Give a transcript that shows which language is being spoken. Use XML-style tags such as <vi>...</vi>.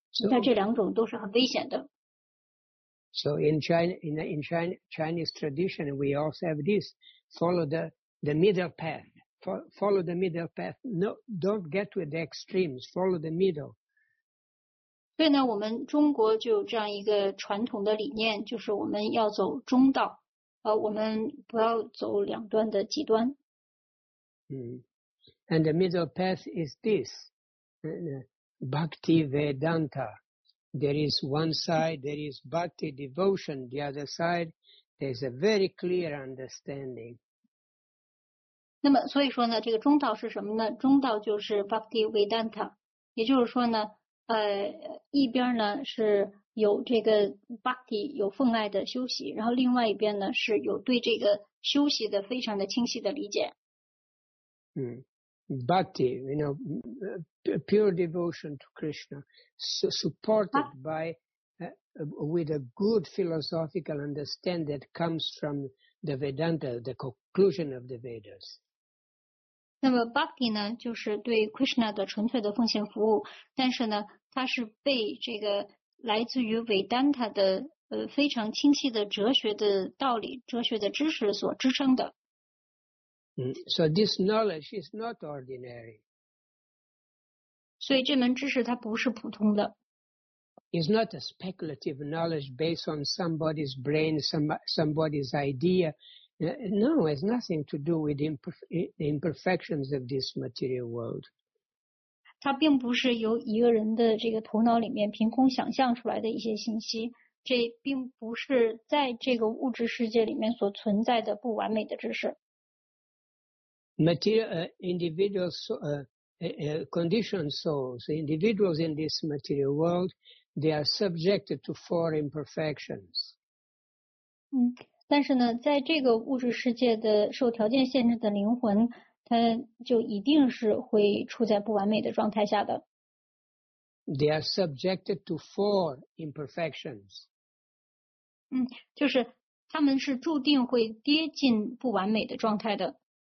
<zh>但这两种都是很危险的。</zh> <en>So in Chinese tradition, we also have this: follow the middle path. Follow the middle path. No, don't get to the extremes. Follow the middle.</en> <zh>所以呢，我们中国就有这样一个传统的理念，就是我们要走中道，我们不要走两端的极端。</zh> <en>And the middle path is this, Bhakti Vedanta. There is one side, there is Bhakti devotion. The other side There's a very clear understanding.</en> <zh>那么所以说呢，这个中道是什么呢？中道就是 Bhakti Vedanta， 也就是说呢，一边呢是有这个 Bhakti 有奉爱的修习，然后另外一边呢是有对这个修习的非常的清晰的理解。嗯。</zh> <en>Bhakti, you know, pure devotion to Krishna, supported by, with a good philosophical understanding that comes from the Vedanta, the conclusion of the Vedas.</en> <zh>那么 Bhakti 呢，就是对 Krishna 的纯粹的奉献服务，但是呢，它是被这个来自于 Vedanta 的非常清晰的哲学的道理、哲学的知识所支撑的。</zh> <en>So this knowledge is not ordinary.</en> <zh>所以这门知识它不是普通的。</zh> <en>It's not a speculative knowledge based on somebody's brain, somebody's idea. No, it has nothing to do with the imperfections of this material world.</en> <zh>它并不是由一个人的这个头脑里面凭空想象出来的一些信息，这并不是在这个物质世界里面所存在的不完美的知识。</zh> <en>Material individuals, conditioned souls, individuals in this material world, they are subjected to four imperfections.</en> <zh>但是呢，在这个物质世界的受条件限制的灵魂，它就一定是会处在不完美的状态下的。</zh> <en>They are subjected to four imperfections.</en> <zh>就是他们是注定会跌进不完美的状态的。</zh>